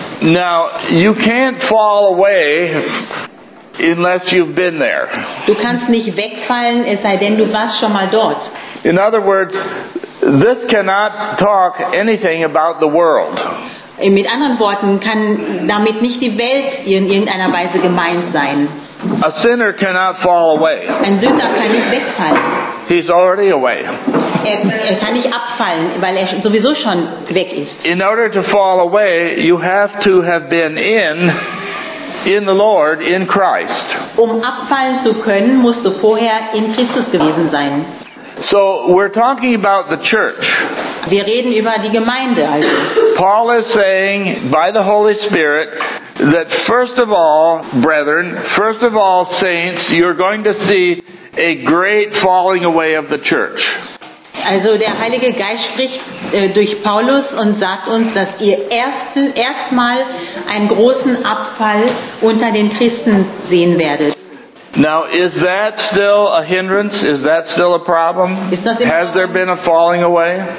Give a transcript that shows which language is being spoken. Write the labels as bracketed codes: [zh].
[en] Now, you can't fall away unless you've been there. [de] Du kannst nicht wegfallen, es sei denn, du warst schon mal dort. [en] In other words, this cannot talk anything about the world. [de] Mit anderen Worten, kann damit nicht die Welt in irgendeiner Weise gemeint sein. [en] A sinner cannot fall away. [de] Ein Sünder kann nicht wegfallen. [en] He's already away. [de] Er kann nicht abfallen, weil er sowieso schon weg ist. [en] In order to fall away, you have to have been in the Lord, in Christ. [de] Um abfallen zu können, musst du vorher in Christus gewesen sein. [en] So we're talking about the church. [de] Wir reden über die Gemeinde. Also. [en] Paul is saying by the Holy Spirit that first of all, brethren, first of all, saints, you're going to see a great falling away of the church. [de] Also der Heilige Geist spricht durch Paulus und sagt uns, dass ihr erstmal einen großen Abfall unter den Christen sehen werdet. [en] Now is that still a hindrance? Is that still a problem? Has there been a falling away?